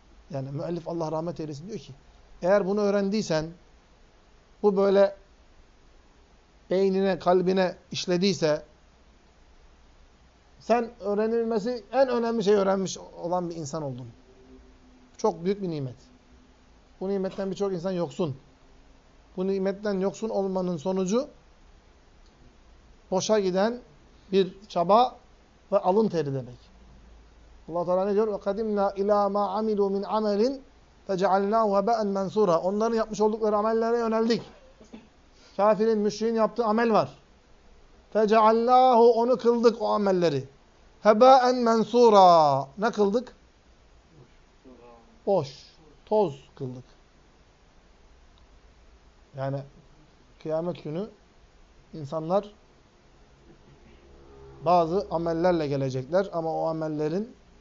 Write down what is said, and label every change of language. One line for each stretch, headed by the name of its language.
Turkish: Yani müellif Allah rahmet eylesin diyor ki eğer bunu öğrendiysen, bu böyle beynine, kalbine işlediyse, sen öğrenilmesi en önemli şeyi öğrenmiş olan bir insan oldun. Çok büyük bir nimet. Bu nimetten birçok insan yoksun. Bu nimetten yoksun olmanın sonucu boşa giden bir çaba ve alın teri demek. Allah Teala ne diyor?
Arabic: وَقَدِمْنَا اِلَى مَا عَمِلُوا مِنْ عَمَلٍ فَجَعَلْنَاهُ هَبَاءً مَنْسُورًا
Turkish: Onların yapmış oldukları amellere yöneldik. Kafirin, müşriğin yaptığı amel var. فَجَعَلْنَاهُ Onu kıldık o amelleri.
Arabic: هَبَاءً مَنْسُورًا
Turkish: Ne kıldık? Boş. Toz kıldık. Yani kıyamet günü insanlar bazı amellerle gelecekler ama o amellerin